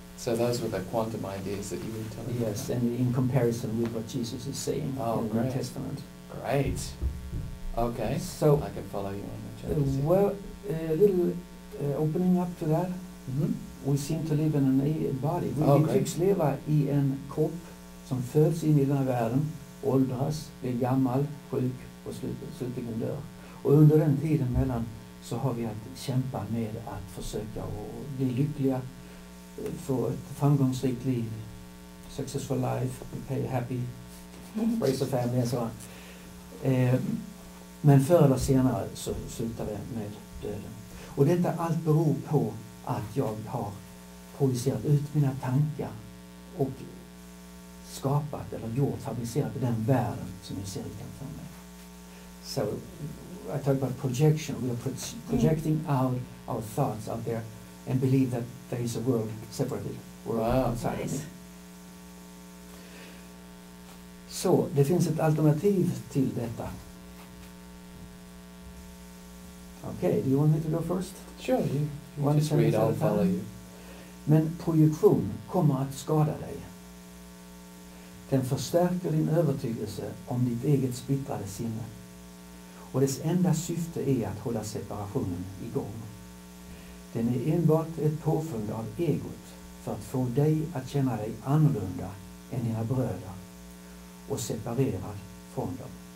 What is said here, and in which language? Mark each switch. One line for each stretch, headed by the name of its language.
English: So those were the quantum ideas that you were telling me. Yes, and in comparison with what Jesus is saying in the New Testament. Great. Okay, so I can follow you on the chat. Well, a little opening up to that. Mm-hmm. We seem to live in an body.
Swedish: We tycks leva i en kropp som föds in i den här världen, åldras, blir gammal, sjuk och slutligen dör. Och under den tiden mellan så har vi att kämpa med att försöka och bli lyckliga, få ett framgångsrikt liv,
English: successful life, pay happy, raise a family
Swedish: och så on. Men förr eller senare så slutar det med döden. Och detta allt beror på att jag har projicerat ut mina tankar och skapat eller gjort, fabricerat den världen som jag ser utanför mig.
English: So I talk about projection. We are projecting out our thoughts out there and believe that there is a world separated, world outside. Nice.
Swedish: Så, det finns ett alternativ till detta.
English: Okay, do you want me to go first? Sure, you just read, I'll follow you.
Swedish: Men projektion kommer att skada dig. Den förstärker din övertygelse om ditt eget splittrade sinne. Och dess enda syfte är att hålla separationen igång. Den är enbart ett påfund av egot för att få dig att känna dig annorlunda än dina bröder och separerad från dem.